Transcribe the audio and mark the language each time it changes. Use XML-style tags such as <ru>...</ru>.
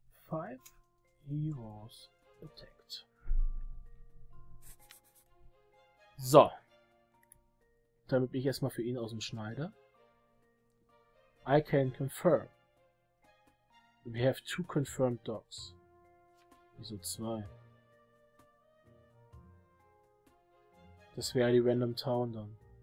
<en>5. He was attacked. So.</en> <de>Damit bin ich erstmal für ihn aus dem Schneider.</de> <en>I can confirm. We have two confirmed dogs.</en> <de>Wieso zwei? Das wäre die Random Town dann.</de>